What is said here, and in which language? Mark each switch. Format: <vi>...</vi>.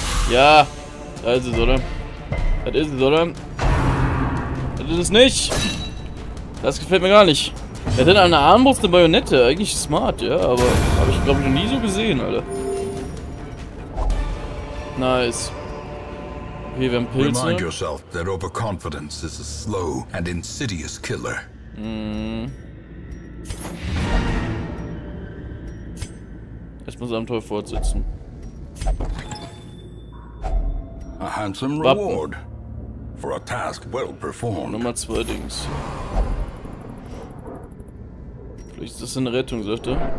<de>Ja! Das ist es, oder? Das ist es, oder? Das ist es nicht! Das gefällt mir gar nicht. Er hat dann eine Armbrust, eine Bajonette. Eigentlich smart, ja, aber habe ich glaube ich noch nie so gesehen, Alter. Nice. Okay, wir haben Pilze.</de> <en>Remind yourself that overconfidence is a slow and insidious killer.</en> <de>Erstmal das Abenteuer fortsetzen.</de> <en>A handsome reward for a task well performed.</en> <de>Nummer zwei Dings. Vielleicht ist das eine Rettung, sagt er.</de>